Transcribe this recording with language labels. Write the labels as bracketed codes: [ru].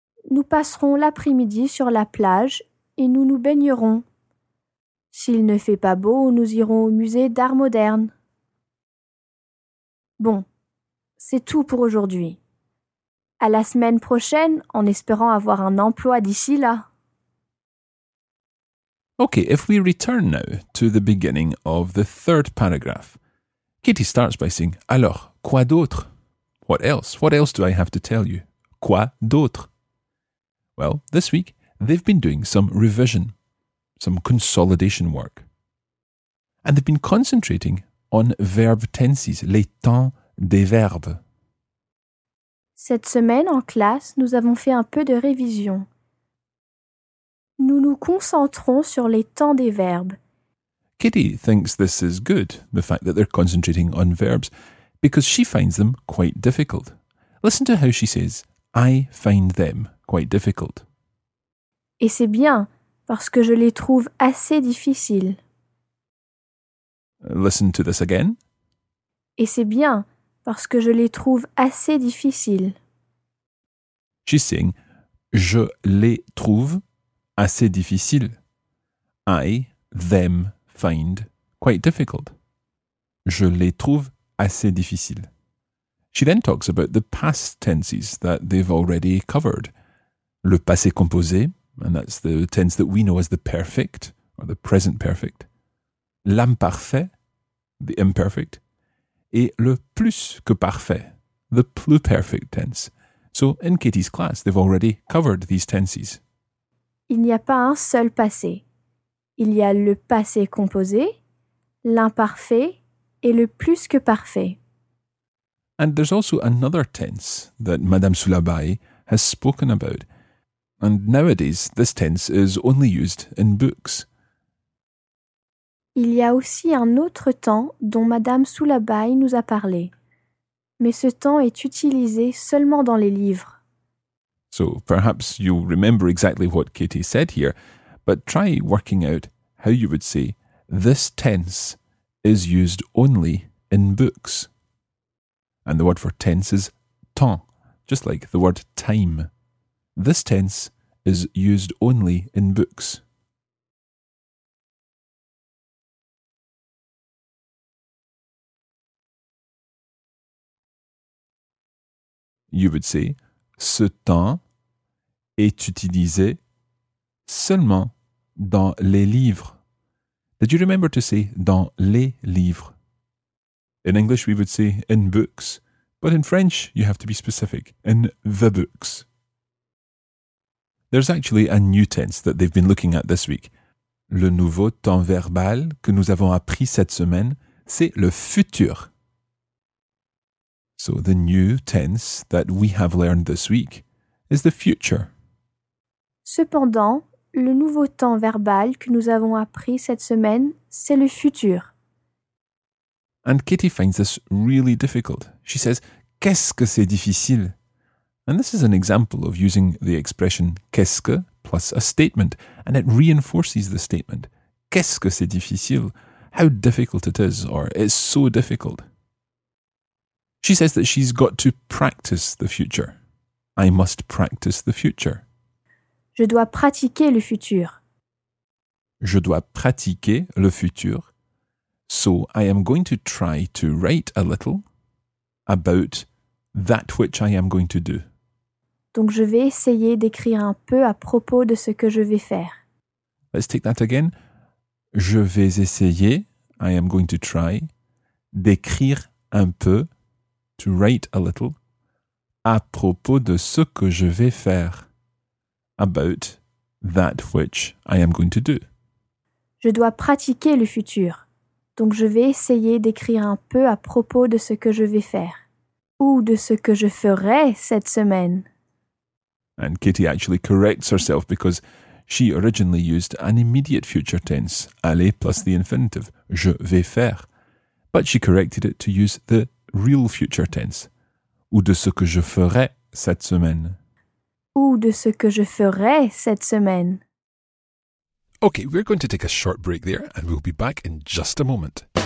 [fr] Nous passerons l'après-midi sur la plage et nous nous baignerons. S'il ne fait pas beau, nous irons au musée d'art moderne. Bon, c'est tout pour aujourd'hui. À la semaine prochaine, en espérant avoir un emploi d'ici là. [en] Okay, if we return now to the beginning of the third paragraph. Kitty starts by saying, [fr] alors, quoi d'autre? [en] What else? What else do I have to tell you? [fr] Quoi d'autre? [en] Well, this week, they've been doing some revision, some consolidation work. And they've been concentrating on verb tenses, [fr] les temps des verbes. Cette semaine, en classe, nous avons fait un peu de révision. Nous nous concentrons sur les temps des verbes. [en] Kitty thinks this is good, the fact that they're concentrating on verbs, because she finds them quite difficult. Listen to how she says, I find them quite difficult. [fr] Et c'est bien, parce que je les trouve assez difficiles. [en] Listen to this again. [fr] Et c'est bien, parce que je les trouve assez difficiles. [en] She's saying, [fr] je les trouve assez difficiles. [en] I, them, find quite difficult. [fr] Je les trouve assez difficiles. [en] She then talks about the past tenses that they've already covered. [fr] Le passé composé, [en] and that's the tense that we know as the perfect, or the present perfect. [fr] L'imparfait, [en] the imperfect. [fr] Et le plus que parfait, [en] the pluperfect tense. So, in Katie's class, they've already covered these tenses. [fr] Il n'y a pas un seul passé. Il y a le passé composé, l'imparfait et le plus que parfait. [en] And there's also another tense that Madame Soulabaye has spoken about. And nowadays, this tense is only used in books. [fr] Il y a aussi un autre temps dont Madame Soulabaye nous a parlé. Mais ce temps est utilisé seulement dans les livres. [en] So, perhaps you'll remember exactly what Katie said here, but try working out how you would say this tense is used only in books. And the word for tense is temps, just like the word time. This tense is used only in books. You would say, [fr] ce temps est utilisé seulement dans les livres. [en] Did you remember to say [fr] dans les livres? [en] In English, we would say in books, but in French, you have to be specific, in the books. There's actually a new tense that they've been looking at this week. [fr] Le nouveau temps verbal que nous avons appris cette semaine, c'est le futur. [en] So the new tense that we have learned this week is the future. [fr] Cependant, le nouveau temps verbal que nous avons appris cette semaine, c'est le futur. [en] And Kitty finds this really difficult. She says, [fr] qu'est-ce que c'est difficile? [en] And this is an example of using the expression qu'est-ce que plus a statement, and it reinforces the statement. [fr] Qu'est-ce que c'est difficile? [en] How difficult it is, or it's so difficult. She says that she's got to practice the future. I must practice the future. [fr] Je dois pratiquer le futur. Je dois pratiquer le futur. [en] So I am going to try to write a little about that which I am going to do. [fr] Donc je vais essayer d'écrire un peu à propos de ce que je vais faire. [en] Let's take that again. [fr] Je vais essayer, [en] I am going to try, [fr] d'écrire un peu. [en] To write a little, [fr] à propos de ce que je vais faire, [en] about that which I am going to do. [fr] Je dois pratiquer le futur, donc je vais essayer d'écrire un peu à propos de ce que je vais faire, ou de ce que je ferai cette semaine. [en] And Kitty actually corrects herself because she originally used an immediate future tense, aller plus the infinitive, [fr] je vais faire. [en] But she corrected it to use the real future tense, [fr] ou de ce que je ferai cette semaine. Ou de ce que je ferai cette semaine. [en] Okay, we're going to take a short break there and we'll be back in just a moment.